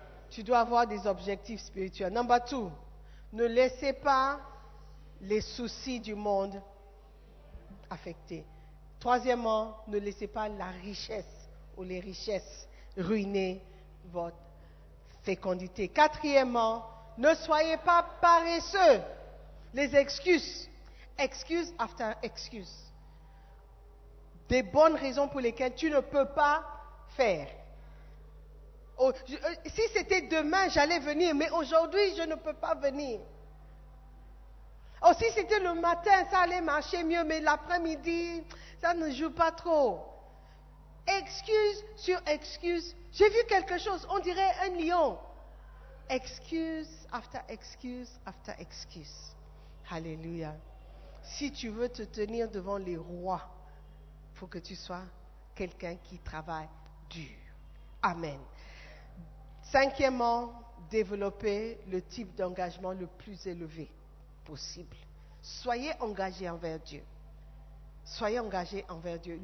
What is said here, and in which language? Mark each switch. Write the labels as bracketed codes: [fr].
[fr] Tu dois avoir des objectifs spirituels. [en] Number two, [fr] ne laissez pas les soucis du monde affecter. Troisièmement, ne laissez pas la richesse ou les richesses ruiner votre fécondité. Quatrièmement, ne soyez pas paresseux. Les excuses, [en] excuse after excuse. [fr] Des bonnes raisons pour lesquelles tu ne peux pas faire. Oh, si c'était demain, j'allais venir, mais aujourd'hui, je ne peux pas venir. Oh, si c'était le matin, ça allait marcher mieux, mais l'après-midi, ça ne joue pas trop. Excuse sur excuse. J'ai vu quelque chose, on dirait un lion. [en] Excuse after excuse after excuse. Alléluia. [fr] si tu veux te tenir devant les rois, il faut que tu sois quelqu'un qui travaille dur. Amen. Cinquièmement, développer le type d'engagement le plus élevé possible. Soyez engagé envers Dieu. Soyez engagé envers Dieu.